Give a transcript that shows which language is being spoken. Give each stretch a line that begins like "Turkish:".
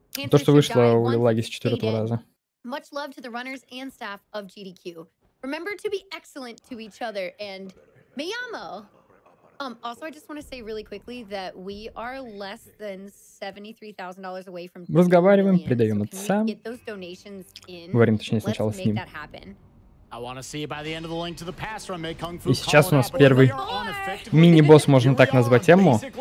Russian: То, что вышло у Лилаги с четвертого раза.
English: Much love to the runners and staff of GDQ. Remember to be excellent to each other and Miyamo. Also, I just want to say really quickly that we are less than $73,000 away from.
Russian: Разговариваем, предаем отца. Говорим, точнее, сначала с ним. И сейчас у нас первый мини-босс, можно так назвать Эмму.